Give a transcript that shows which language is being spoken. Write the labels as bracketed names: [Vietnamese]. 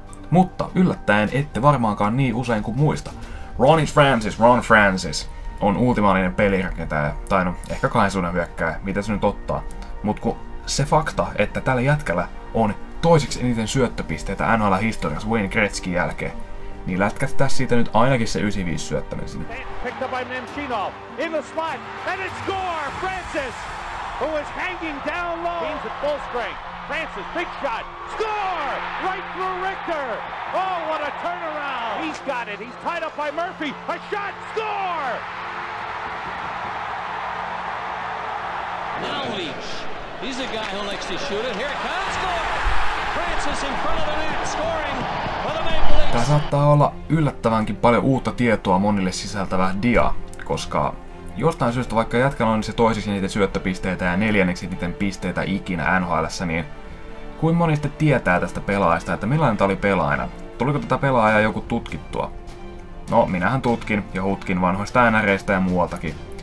[Finnish] Mutta yllättäen ette varmaankaan niin usein kuin muista. Ron Francis on ultimaalinen pelirakentaja, tai no ehkä kahden suunnan hyökkääjä, mitä se nyt ottaa. Mutta kun se fakta, että tällä jätkällä on toiseksi eniten syöttöpisteitä NHL-historiassa Wayne Gretzkin jälkeen, niin lätkätetään siitä nyt ainakin se 95 syöttäminen sinne. [English] Picked up by Nemchinov, in the slot, and it's Gore, Francis, who is hanging down low. Games at full strength, Francis, big shot, score, right through Richter. Oh, what a turnaround. He's got it, he's tied up by Murphy, a shot, score. Now Leach, he's a guy who likes to shoot it, here it comes, score. Francis in front of the net, scoring. [Finnish] Tämä saattaa olla yllättävänkin paljon uutta tietoa monille sisältävä dia, koska jostain syystä vaikka jätkällä on se toisiksi niitä syöttöpisteitä ja neljänneksi niiden pisteitä ikinä NHL:ssä, niin kuin moni sitten tietää tästä pelaajasta, että millainen tämä oli pelaajana? Tuliko tätä pelaajaa joku tutkittua? No, minähän tutkin ja hutkin vanhoista NR:istä ja muualtakin.